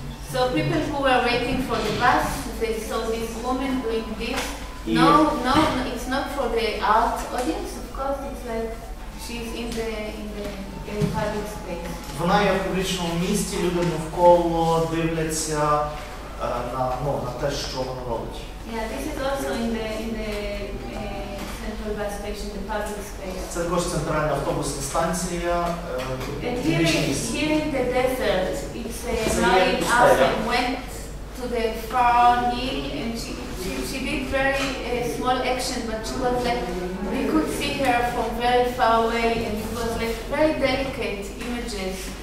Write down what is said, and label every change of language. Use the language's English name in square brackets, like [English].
[English] So people who were waiting for the bus, they saw this woman doing this. No, no, it's not for the art audience, of course, it's like she's in the public space. [Ukrainian] Вона є в публічному місті, люди навколо дивляться на те, що вона робить. [English] Yeah, this is also in the central bus station, the public space. [Ukrainian] Це також центральна автобусна станція. [English] Here in the desert, it's a lying out and went to the far hill, and she did very small action, but she was like, we could see her from very far away, and it was like very delicate images.